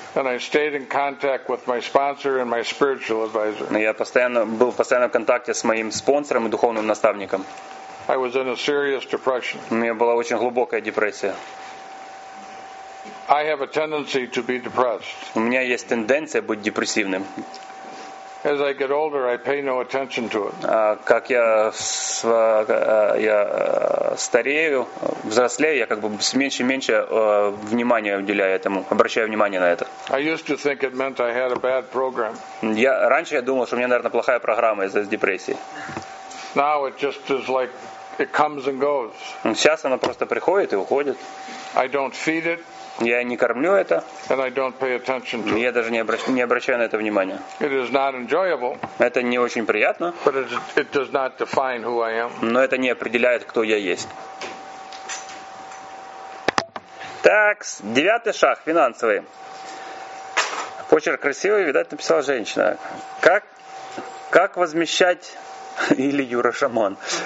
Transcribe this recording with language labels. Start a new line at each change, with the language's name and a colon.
English: And I stayed in contact with my sponsor and my spiritual advisor.
Russian: Я был постоянно в контакте с моим спонсором и духовным наставником.
English: I was in a serious depression.
Russian: У меня была очень глубокая депрессия.
English: I have a tendency to be depressed.
Russian: У меня есть тенденция быть депрессивным.
English: As I get older, I pay no attention to it.
Russian: Как я старею, взрослею, я как бы все меньше и меньше внимания уделяю этому, обращаю внимание на это.
English: I used to think it meant I had a bad program.
Russian: Я раньше я думал, что у меня, наверное, плохая программа из-за депрессии.
English: Now it just is like it comes and goes.
Russian: Сейчас она просто приходит и уходит.
English: I don't feed it.
Russian: Я не кормлю это.
English: And I don't pay attention to.
Russian: Я даже не обращаю на это внимания.
English: It is not enjoyable.
Russian: Это не очень приятно.
English: But it does not define who I am.
Russian: Но это не определяет, кто я есть. Так, девятый шаг финансовый. Почерк красивый, видать, написала женщина. Как возмещать или Юра Шаман?